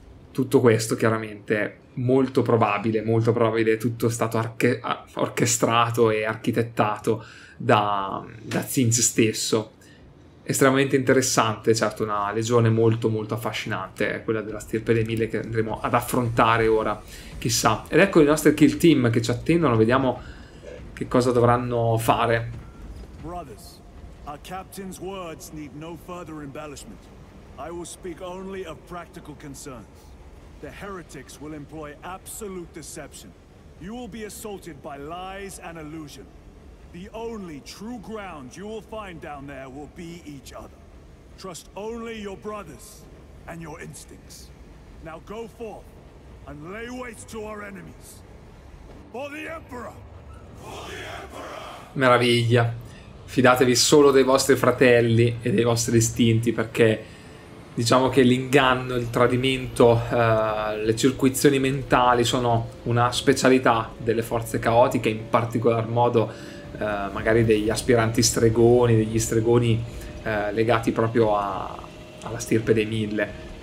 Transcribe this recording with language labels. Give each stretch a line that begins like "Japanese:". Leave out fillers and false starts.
Italian: Tutto questo chiaramente molto probabile, tutto stato orchestrato e architettato da Zinz stesso. Estremamente interessante, certo, una legione molto molto affascinante, quella della stirpe dei mille che andremo ad affrontare ora, chissà. Ed ecco i nostri kill team che ci attendono, vediamo che cosa dovranno fare.
English: Brothers, our captain's words need no further embellishment. I will speak only of practical concerns. The heretics will employ absolute deception. You will be assaulted by lies and illusion. The only true ground you will find down there will be each other. Trust only your brothers and your instincts. Now go forth and lay waste to our enemies. For the Emperor! For the Emperor!
Italian: Meraviglia. Fidatevi solo dei vostri fratelli e dei vostri istinti, perché diciamo che l'inganno, il tradimento, le circuizioni mentali sono una specialità delle forze caotiche, in particolar modo magari degli aspiranti stregoni, degli stregoni legati proprio alla stirpe dei mille.